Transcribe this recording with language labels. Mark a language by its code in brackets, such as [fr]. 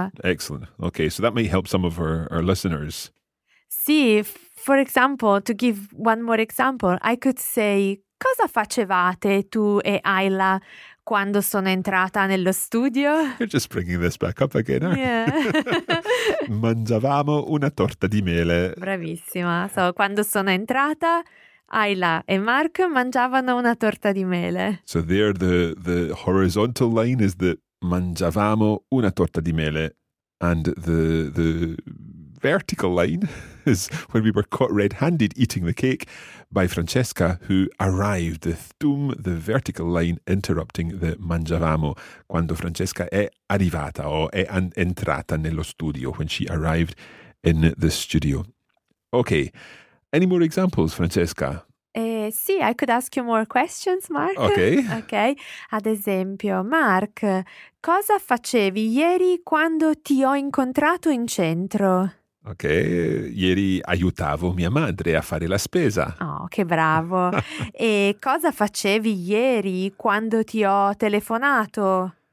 [en] one. Excellent. Okay, so that may help some of our listeners. See, for example, to give one more example, I could say [it] cosa facevate tu e Ayla quando sono entrata nello studio? [en] You're just bringing this back up again, aren't you? Yeah. [it] Mangiavamo una torta di mele. Bravissima. [en] So, [it] quando sono entrata, Ayla e Mark mangiavano una torta di mele. [en] So there, the horizontal line is the [it] mangiavamo una torta di mele. [en] And the vertical line is when we were caught red-handed eating the cake by Francesca, who arrived, the thtum, the vertical line interrupting the mangiavamo, [it] quando Francesca è arrivata o è entrata nello studio, [en] when she arrived in the studio. Okay, any more examples, Francesca? Sì, I could ask you more questions, Mark. Okay. Okay. [it] Ad esempio, Mark, cosa facevi ieri quando ti ho incontrato in centro? Ok, ieri aiutavo mia madre a fare la spesa. Oh, che bravo. E cosa facevi ieri quando ti ho telefonato?